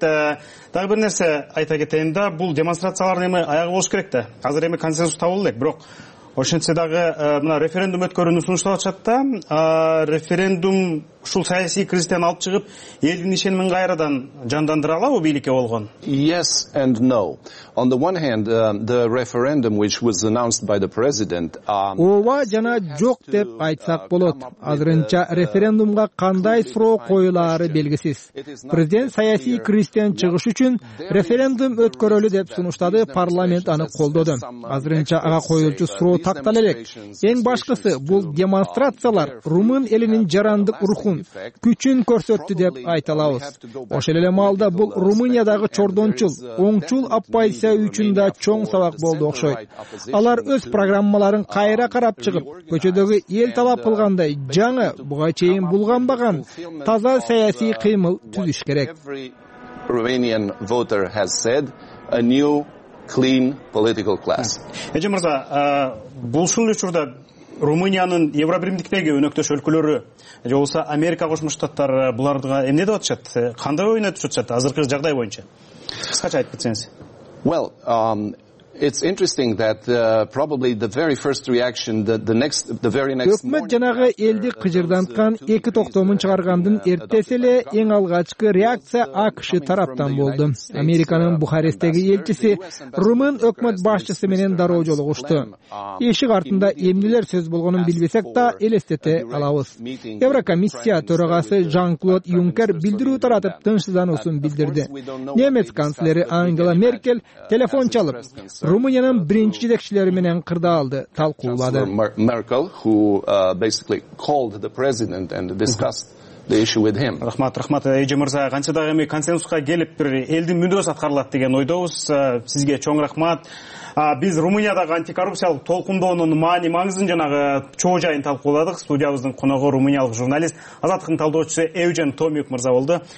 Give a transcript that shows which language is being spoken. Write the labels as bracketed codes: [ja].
[ky] Дагы бир нерсе айта кетейин да, бул демонстрациялардын эми аягы болуш керек да. Азыр эми консенсус табыл элек, бирок ошентсе дагы мына референдум өткөрүүнү сунушталып атышат да. Референдум ушул саясий кризистен алып чыгып элдин ишенимин кайрадан жандандыра алабы бийликке болгон? [en] Yes and no. On the one hand, the referendum which was announced by the president, [ky] ооба жана жок деп айтсак болот. Азырынча референдумга кандай суроо коюлары белгисиз. Президент саясий кризистен чыгыш үчүн референдум өткөрөлү деп сунуштады, парламент аны колдоду. Азырынча ага коюлчу суроо тактала элек. Эң башкысы, бул демонстрациялар румын элинин жарандык рухун, күчүн көрсөттү деп айта алабыз. Ошол эле маалда бул Румыниядагы чордончул, оңчул оппозиция үчүн да чоң сабак болду окшойт. Алар өз программаларын кайра карап чыгып, көчөдөгү эл талап кылгандай жаңы, буга чейин булганбаган таза саясий кыймыл түзүш керек. [en] Romanian voter has said a new clean political class. [ky] Эже мырза, бул ушул учурда Румыниянын евробиримдиктеги өнөктөш өлкөлөрү же болсо Америка Кошмо Штаттары буларга эмне деп атышат? Кандай ойнотушуп атышат азыркы жагдай боюнча? Кыскача айтып кетсеңиз. [en] Well, it's interesting that probably the very first reaction that the very next [ky] өкмөт жанагы элди кыжырданткан эки токтомун чыгаргандын эртеси эле эң алгачкы реакция АКШ тараптан болду. Американын Бухаресттеги элчиси румын өкмөт башчысы менен дароо жолугушту. Эшик артында эмнелер сөз болгонун билбесек да элестете алабыз. Еврокомиссия төрагасы Жан-Клод Юнкер билдирүү таратып тынчсыздануусун билдирди. Немец канцлери Ангела Меркель телефон чалып Румыниянын биринчи жетекчилери менен кырдаалды талкуулады. [en] Merkel, who basically called the president and discussed the issue with him. [ky] Рахмат, Эже мырза, канча дагы эми консенсуска келип бир элдин мүдөсү аткарылат деген ойдобуз. Сизге чоң рахмат. Биз Румыниядагы антикоррупциялык толкундоонун маани маңызын жанагы чоо жайын талкууладык. Студиябыздын коногу румыниялык журналист, Азаттыктын талдоочусу Эвжен Томиук мырза болду.